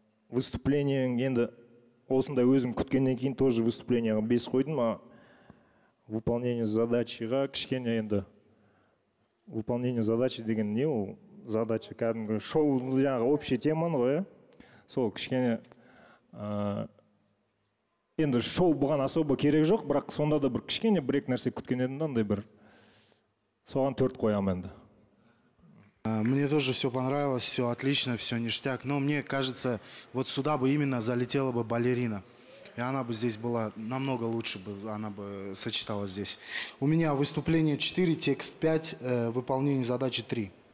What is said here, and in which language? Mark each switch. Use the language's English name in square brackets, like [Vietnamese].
[Kazakh] Выступление, енді осында өзім күткеннен кейін тоже выступлениеге бес қойдым, а выполнение задачыға кішкене енді. [Russian] Выполнение задачи [Kazakh] деген не ол? Задача кәдімгі шоу, жаңа общий теман ғой. Сол кішкене енді шоу бұған особо керек жоқ, бірақ сонда да бір кішкене бір нәрсе күткен едім, ондай бір. Соған 4 қоямын енді. [Russian] Мне тоже все понравилось, все отлично, все ништяк. Но мне кажется, вот сюда бы именно залетела бы балерина. И она бы здесь была намного лучше, бы она бы сочеталась здесь. У меня выступление 4, текст 5, выполнение задачи 3.